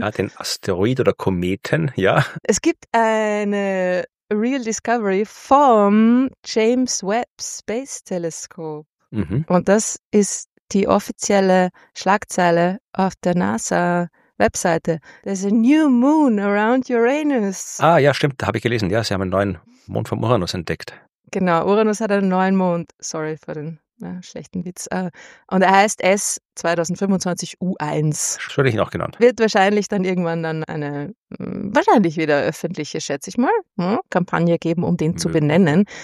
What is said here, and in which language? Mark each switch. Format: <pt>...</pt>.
<de>Ja, den Asteroid oder Kometen, ja. Es gibt eine Real Discovery vom James Webb Space Telescope. Mhm. Und das ist die offizielle Schlagzeile auf der NASA-Webseite.</de> <en>There's a new moon around Uranus.</en> <de>Ah ja, stimmt, da habe ich gelesen. Ja, sie haben einen neuen Mond vom Uranus entdeckt. Genau, Uranus hat einen neuen Mond. Sorry für den schlechten Witz. Und er heißt S2025U1. Schon ich ihn auch genannt. Wird wahrscheinlich dann irgendwann dann eine, wahrscheinlich wieder öffentliche, schätze ich mal, Kampagne geben, um den zu benennen.</de>